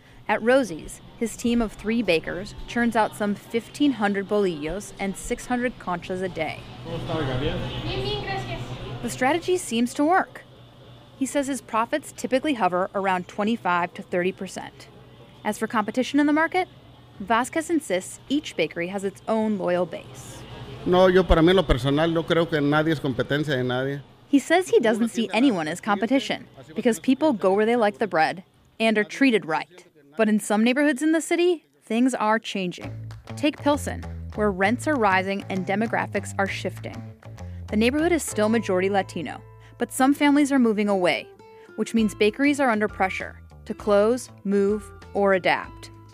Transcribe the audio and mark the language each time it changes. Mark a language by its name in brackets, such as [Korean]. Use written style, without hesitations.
[English] At Rosie's, his team of three bakers churns out some 1,500 bolillos and 600 conchas a day. The strategy seems to work. He says his profits typically hover around 25 to 30%. As for competition in the market, Vasquez insists each bakery has its own loyal base. [Spanish] No, yo para mí lo personal, no creo que nadie es competencia de nadie. [English] He says he doesn't see anyone as competition because people go where they like the bread and are treated right. But in some neighborhoods in the city, things are changing. Take Pilsen, where rents are rising and demographics are shifting. The neighborhood is still majority Latino, but some families are moving away, which means bakeries are under pressure to close, move, or adapt.